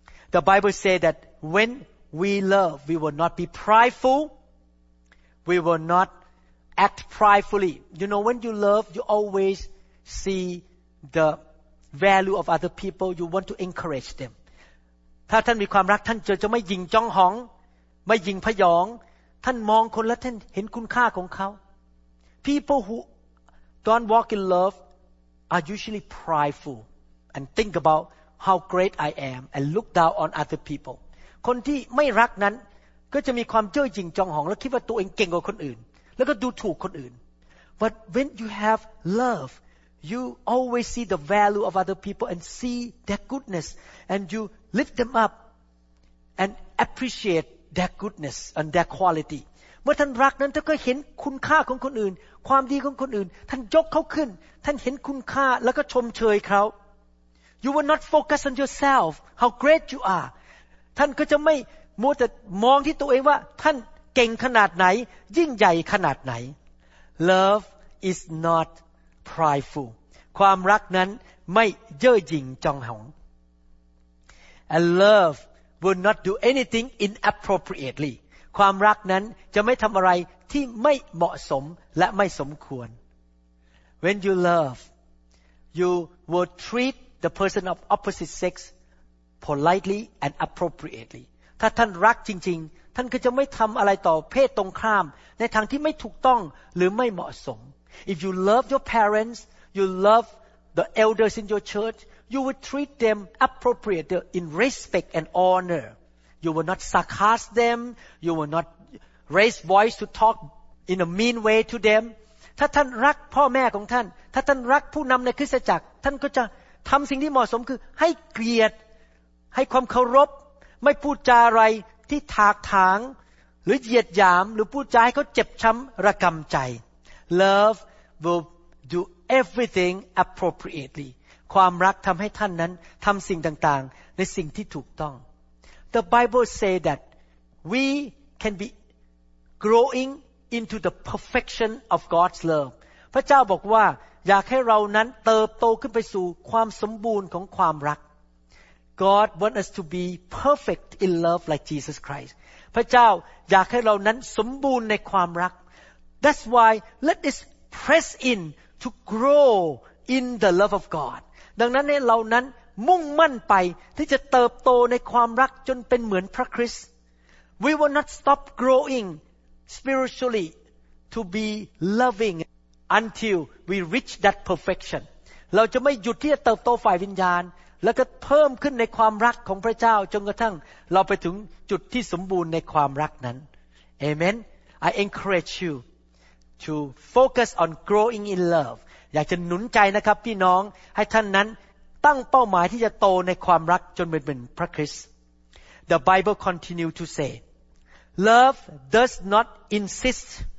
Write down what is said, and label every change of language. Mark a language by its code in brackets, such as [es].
[en] The Bible says that when we love we will not be prideful we will not act pridefully you know when you love you always see the value of other people you want to encourage them [th] ถ้าท่านมีความรักท่านจะไม่หยิ่งจ้องหองไม่ยิงพยองท่านมองคนและท่านเห็นคุณค่าของเขา [en] People who don't walk in love are usually prideful and think about how great I am and look down on other people [th] คนที่ไม่รักนั้นก็จะมีความเย่อหยิ่งจองหองและคิดว่าตัวเองเก่งกว่าคนอื่นแล้วก็ดูถูกคนอื่น [en] But when you have love you always see the value of other people and see their goodness and you lift them up and appreciateTheir goodness and their quality. [th] เมื่อท่านรักนั้นท่านก็เห็นคุณค่าของคนอื่นความดีของคนอื่นท่านยกเขาขึ้นท่านเห็นคุณค่าแล้วก็ชมเชยเขา [en] You will not focus on yourself how great you are. [th] ท่านก็จะไม่มัวแต่มองที่ตัวเองว่าท่านเก่งขนาดไหนยิ่งใหญ่ขนาดไหน [en] Love is not prideful. [th] ความรักนั้นไม่เย่อหยิ่งจองหอง [en] And loveWill not do anything inappropriately. [th] ความรักนั้นจะไม่ทำอะไรที่ไม่เหมาะสมและไม่สมควร [en] When you love, you will treat the person of opposite sex politely and appropriately. [th] ถ้าท่านรักจริงๆท่านก็จะไม่ทำอะไรต่อเพศตรงข้ามในทางที่ไม่ถูกต้องหรือไม่เหมาะสม [en] If you love your parents, you love the elders in your church. You will treat them appropriately in respect and honor. You will not sarcasm them. You will not raise voice to talk in a mean way to them. [th] ถ้าท่านรักพ่อแม่ของท่านถ้าท่านรักผู้นำในคริสตจักรท่านก็จะทำสิ่งที่เหมาะสมคือให้เกียรติให้ความเคารพไม่พูดจาอะไรที่ถากถางหรือเหยียดหยามหรือพูดจาให้เขาเจ็บช้ำระกำใจ [en] Love will do everything appropriately. [th] ความรักทำให้ท่านนั้นทำสิ่งต่างๆในสิ่งที่ถูกต้อง [en] The Bible say that we can be growing into the perfection of God's love. [th] พระเจ้าบอกว่าอยากให้เรานั้นเติบโตขึ้นไปสู่ความสมบูรณ์ของความรัก [en] God want us to be perfect in love like Jesus Christ. [th] พระเจ้าอยากให้เรานั้นสมบูรณ์ในความรัก [en] That's why let us press in to growIn the love of God. [th] ดังนั้นในเรานั้นมุ่งมั่นไปที่จะเติบโตในความรักจนเป็นเหมือนพระคริสต์ [en] We will not stop growing spiritually to be loving until we reach that perfection. [th] เราจะไม่หยุดที่จะเติบโตฝ่ายวิญญาณแล้วก็เพิ่มขึ้นในความรักของพระเจ้าจนกระทั่งเราไปถึงจุดที่สมบูรณ์ในความรักนั้น [en] Amen. I encourage you to focus on growing in love. [th] อยากจะหนุนใจนะครับพี่น้องให้ท่านนั้นตั้งเป้าหมายที่จะโตในความรักจนเป็นเหมือนพระคริสต์ [en] The Bible continue to say Love does not insist